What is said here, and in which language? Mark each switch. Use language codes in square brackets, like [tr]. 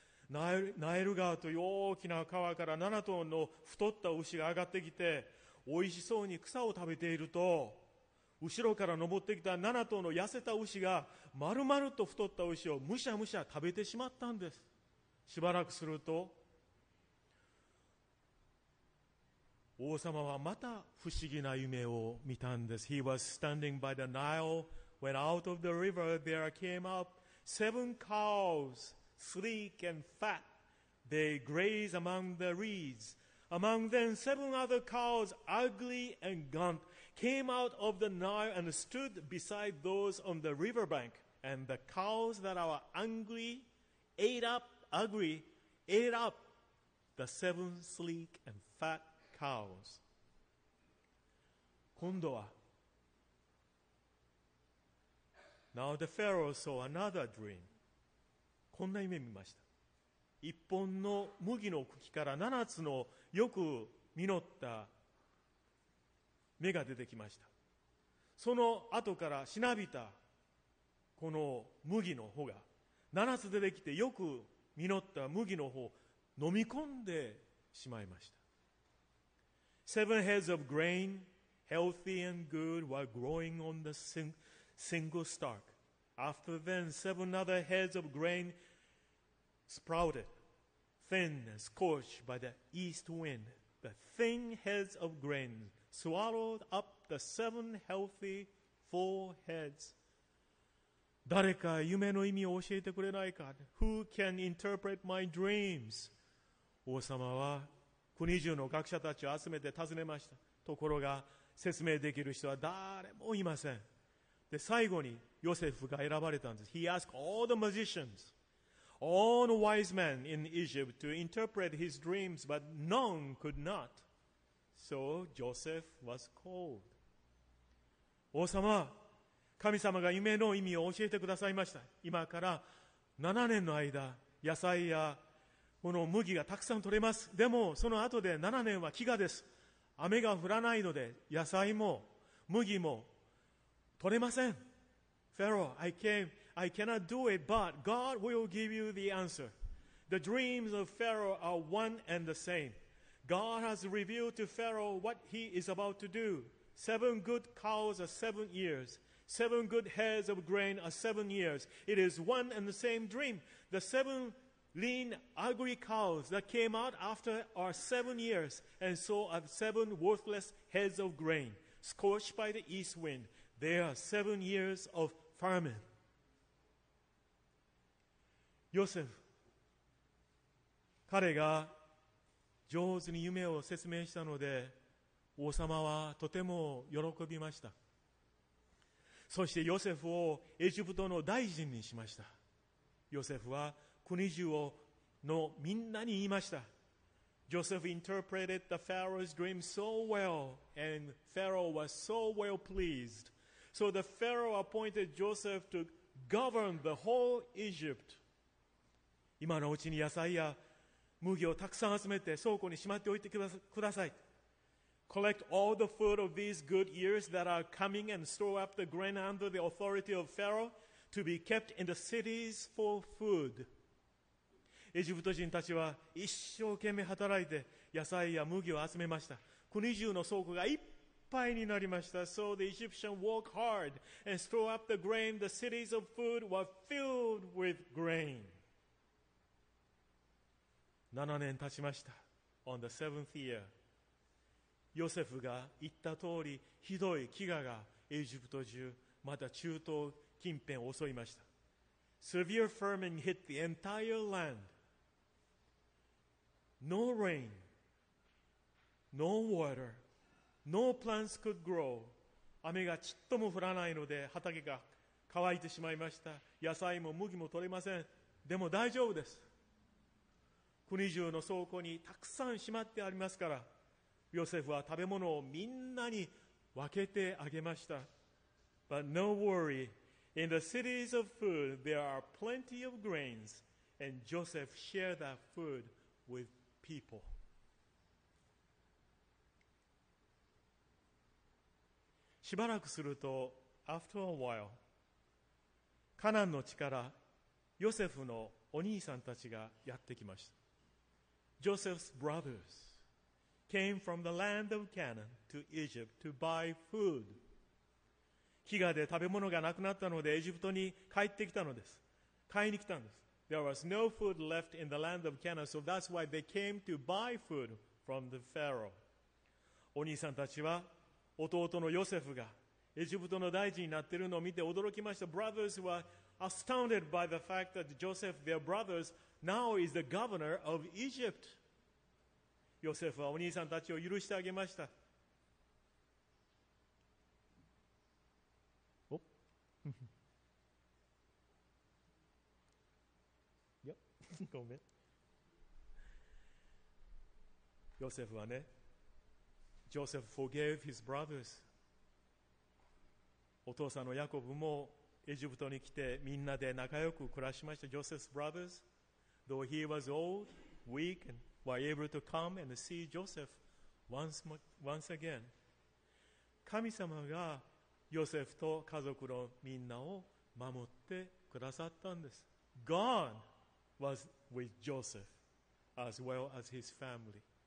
[ja] ナイル川という大きな川から7頭の太った牛が上がってきて、おいしそうに草を食べていると、後ろから登ってきた7頭の痩せた牛が丸々と太った牛をむしゃむしゃ食べてしまったんです。しばらくすると王様はまた不思議な夢を見たんです。 [en] He was standing by the Nile. When out of the river there came up 7 cows, sleek and fat. They graze among the reeds. Among them 7 other cows, ugly and gaunt, came out of the Nile and stood beside those on the river bank. And the cows that were ugly ate up the 7 sleek and fat cows. [ja] 今度は、 [en] Now the Pharaoh saw another dream. [ja] こんな夢見ました。一本の麦の茎から七つのよく実った芽が出てきました。その後からしなびたこの麦の穂が七つ出てきて、よく実った麦の穂を飲み込んでしまいました。 [en] Seven heads of grain, healthy and good, were growing on the single stalk. After then, seven other heads of grain sprouted, thin and scorched by the east wind. The thin heads of grain swallowed up the seven healthy four heads. [ja] 誰か夢の意味を教えてくれないか? [en] Who can interpret my dreams? [ja] 王様は国中の学者たちを集めて尋ねました。ところが説明できる人は誰もいません。で、最後にヨセフが選ばれたんです。 [en] He asked all the magicians, all the wise men in Egypt to interpret his dreams, but none could not. So Joseph was called. [ja] 王様、神様が夢の意味を教えてくださいました。今から7年の間、野菜やこの麦がたくさん取れます。でもその後で7年は飢餓です。雨が降らないので野菜も麦も取れません。 [en] Pharaoh, I cannot do it, but God will give you the answer. The dreams of Pharaoh are one and the same. God has revealed to Pharaoh what he is about to do. Seven good cows are 7 years. Seven good heads of grain are 7 years. It is one and the same dream. The seven lean, ugly cows that came out after are 7 years, and so are seven worthless heads of grain, scorched by the east wind. They are 7 years of famine. [ja] Joseph, 彼が上手に夢を説明したので、王様はとても喜びました。そしてヨセフをエジプトの大臣にしました。ヨセフは国中をのみんなに言いました。 [en] Joseph interpreted the Pharaoh's dream so well, and Pharaoh was so well pleased. So the Pharaoh appointed Joseph to govern the whole Egypt. [ja] 今のうちに野菜や麦をたくさん集めて倉庫にしまっておいてください。 [en] Collect all the food of these good years that are coming and store up the grain under the authority of Pharaoh to be kept in the cities for food. [ja] エジプト人たちは一生懸命働いて野菜や麦を集めました。国中の倉庫がいっぱいになりました。 [en] So the Egyptians worked hard and stored up the grain. The cities of food were filled with grain. [ja] 7年経ちました。 [en] On the seventh year, [ja] ヨセフが言った通り、ひどい飢餓がエジプト中、また中東近辺を襲いました。 [en] Severe famine hit the entire land. No rain, no water, no plants could grow. [ja] 雨がちっとも降らないので畑が乾いてしまいました。野菜も麦も取れません。でも大丈夫です。国中の倉庫にたくさんしまってありますから、ヨセフは食べ物をみんなに分けてあげました。 [en] But no worry, in the cities of food, there are plenty of grains, and Joseph shared that food with people. [ja] しばらくすると [en] after a while [ja] カナンの地からヨセフのお兄さんたちがやってきました。 [en] Joseph's brothers came from the land of Canaan to Egypt to buy food. [ja] 飢餓で食べ物がなくなったのでエジプトに帰ってきたのです。買いに来たんです。 [en] There was no food left in the land of Canaan, so that's why they came to buy food from the Pharaoh. [ja] お兄さんたちは弟のヨセフがエジプトの大臣になっているのを見て驚きました。 [en] Brothers were astounded by the fact that Joseph, their brothers, now is the governor of Egypt. [ja] ヨセフはお兄さんたちを許してあげました。ごめん。ヨセフはね、 [en] Joseph forgave his brothers. [ja] お父さんのヤコブもエジプトに来てみんなで仲良く暮らしました。 [en] Joseph's brothers, though he was old, weak, and were able to come and see Joseph once again. [ja] 神様がヨセフと家族のみんなを守ってくださったんです。 [en] God was with Joseph as well as his family.